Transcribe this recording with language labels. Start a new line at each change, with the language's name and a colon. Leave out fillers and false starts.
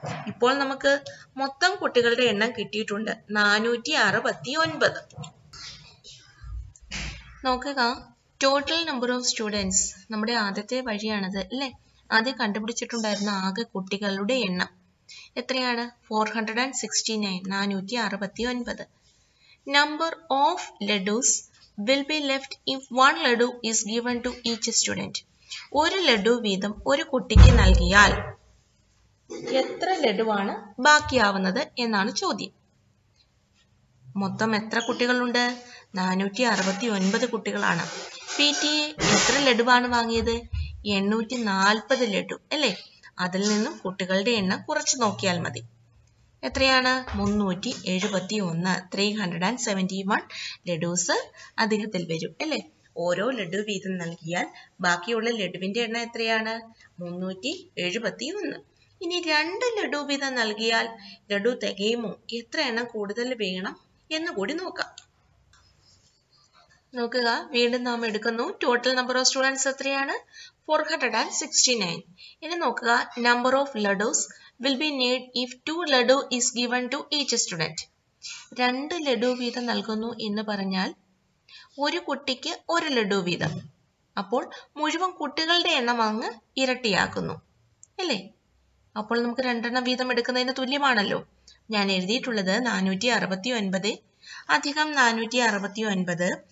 Malayalam: ഇപ്പോൾ നമുക്ക് മൊത്തം കുട്ടികളുടെ എണ്ണം കിട്ടിയിട്ടുണ്ട്, 469. നോക്കുക, ടോട്ടൽ നമ്പർ ഓഫ് സ്റ്റുഡൻസ് നമ്മുടെ ആദ്യത്തെ വഴിയാണത് അല്ലേ. ആദ്യം കണ്ടുപിടിച്ചിട്ടുണ്ടായിരുന്ന ആകെ കുട്ടികളുടെ എണ്ണം എത്രയാണ്? 469 469.
English: Number of laddus will be left if one ladu is given to each student.
Malayalam: ഒരു ലഡു വീതം ഒരു കുട്ടിക്ക് നൽകിയാൽ എത്ര ലഡുവാണ് ബാക്കിയാവുന്നത് എന്നാണ് ചോദ്യം. മൊത്തം എത്ര കുട്ടികളുണ്ട്? 469 കുട്ടികളാണ്. പി ടി എ എത്ര ലഡുവാണ് വാങ്ങിയത്? 840 ലഡു അല്ലേ. അതിൽ നിന്നും കുട്ടികളുടെ എണ്ണം കുറച്ച് നോക്കിയാൽ മതി. എത്രയാണ്? 371 371 ലഡൂസ് അദ്ദേഹത്തിൽ വരും അല്ലേ. ഓരോ ലഡു വീതം നൽകിയാൽ ബാക്കിയുള്ള ലഡുവിൻ്റെ എണ്ണം എത്രയാണ്? 371. ഇനി രണ്ട് ലഡു വീതം നൽകിയാൽ ലഡു തികയുമോ, എത്ര എണ്ണം കൂടുതൽ വേണം എന്ന് കൂടി നോക്കാം. നോക്കുക, വീണ്ടും നാം എടുക്കുന്നു. ടോട്ടൽ നമ്പർ ഓഫ് സ്റ്റുഡൻസ് എത്രയാണ്? 469. ഇനി നോക്കുക,
English: Number of laddus will be need if 2 ladu is given to each student.
Malayalam: രണ്ട് ലഡു വീതം നൽകുന്നു എന്ന് പറഞ്ഞാൽ ഒരു കുട്ടിക്ക് ഒരു ലഡു വീതം, അപ്പോൾ മുഴുവൻ കുട്ടികളുടെ എണ്ണം അങ്ങ് ഇരട്ടിയാക്കുന്നു അല്ലേ. അപ്പോൾ നമുക്ക് രണ്ടെണ്ണം വീതം എടുക്കുന്നതിന് തുല്യമാണല്ലോ. ഞാൻ എഴുതിയിട്ടുള്ളത് 469 അധികം 469.